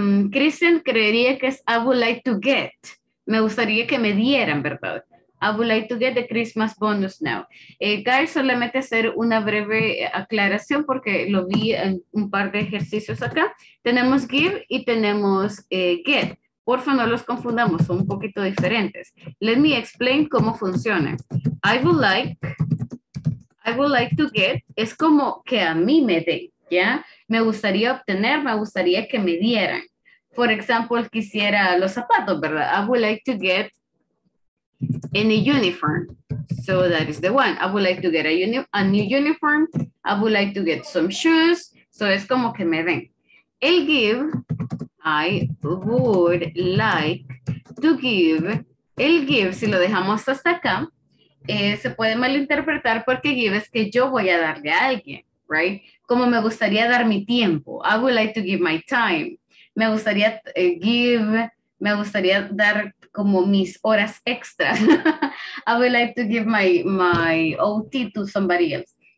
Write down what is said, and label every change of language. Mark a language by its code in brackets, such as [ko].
[es] Kristen creería que es [en] I would like to get. [es] Me gustaría que me dieran, ¿verdad? [en] I would like to get the Christmas bonus now. [es] Guys, solamente hacer una breve aclaración porque lo vi en un par de ejercicios acá. Tenemos give y tenemos get. Porfa, no los confundamos, son un poquito diferentes. [en] Let me explain [es] cómo funciona. [en] I would like to get, [es] es como que a mí me dé, ¿ya? Me gustaría obtener, me gustaría que me dieran. [en] For example, [es] quisiera los zapatos, ¿verdad? [en] I would like to get any uniform. So that is the one. I would like to get a new uniform. I would like to get some shoes. So [es] es como que me den. [en] El give, I would like to give. [es] El give, si lo dejamos hasta acá, se puede malinterpretar porque give es que yo voy a darle a alguien, right? Como me gustaría dar mi tiempo. [en] I would like to give my time. [es] Me gustaría me gustaría dar como mis horas extras. [en] I would like to give my OT to somebody else.